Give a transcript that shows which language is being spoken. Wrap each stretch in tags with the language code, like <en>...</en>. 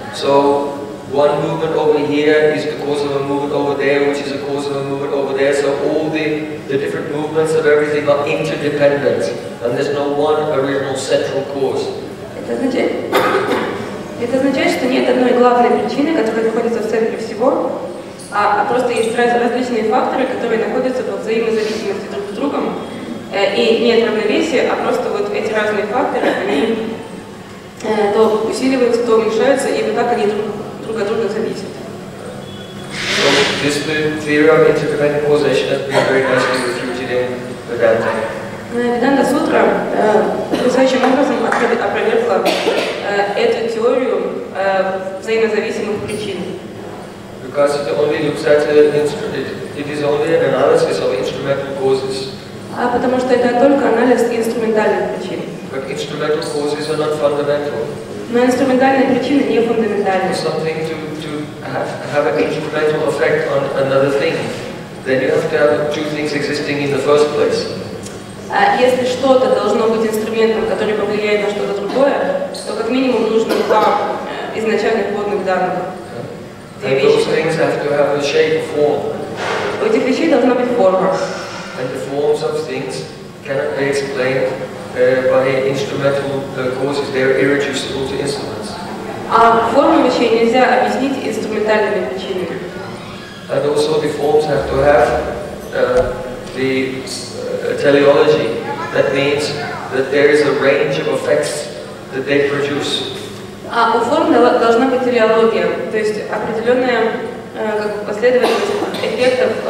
<en>So one movement over here is the cause of a movement over there, which is the cause of a movement over there. So all the different movements of everything are interdependent, and there's no one original central cause.</en> <ru>Это означает, что нет одной главной причины, которая находится в центре всего, а просто есть различные факторы, которые находятся во взаимозависимости друг с другом, и нет равновесия, а просто вот эти разные факторы, они то усиливаются, то уменьшаются, и вот так они друг от друга зависят.</ru> <en>So, this theory of interdependent causation has been very nicely refuted in Vedanta.</en> <ru>Vedanta Sutra потрясающим образом опровергла эту теорию взаимозависимых причин.</ru> <en>The because it only looks at the instrument. It is only an analysis of instrumental causes.</en> <ru>А потому что это только анализ инструментальных причин.</ru> <en>But instrumental causes are not fundamental.</en> <ru>Но инструментальные причины не фундаментальны.</ru> <en>For something to have an instrumental effect on another thing, then you have to have two things existing in the first place.</en> <ru>А если что-то должно быть инструментом, который повлияет на что-то другое, то как минимум нужно два изначальных вводных данных.</ru> <en>And those things have to have a shape or form.</en> <ru>У этих вещей должна быть форма.</ru> <en>And the forms of things cannot be explained by instrumental causes. They are irreducible to instruments.</en> <ru>А форму вещей нельзя объяснить инструментальными причинами.</ru> <en>And also the forms have to have the teleology. That means that there is a range of effects that they produce.</en> <ru>А у форм должна быть теleология, то есть определенная как последовательность эффектов.</ru>